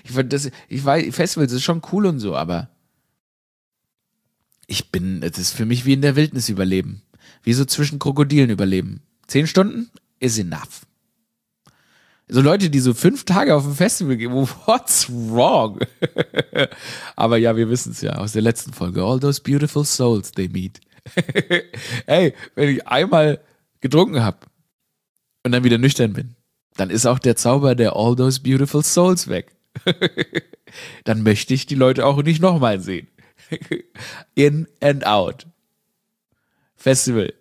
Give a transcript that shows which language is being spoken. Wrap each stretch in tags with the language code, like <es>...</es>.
<de>Festivals ist schon cool und so, aber es ist für mich wie in der Wildnis überleben. Wie so zwischen Krokodilen überleben. 10 Stunden</de> <en>is enough.</en> <de>So Leute, die so 5 Tage auf dem Festival gehen,</de> <en>what's wrong?</en> <de>Aber ja, wir wissen es ja aus der letzten Folge.</de> <en>All those beautiful souls they meet.</en> <de>Hey, wenn ich einmal getrunken habe und dann wieder nüchtern bin, dann ist auch der Zauber der</de> <en>All Those Beautiful Souls</en> <de>weg. Dann möchte ich die Leute auch nicht nochmal sehen.</de> <en>In and out.</en> <de>Festival.</de>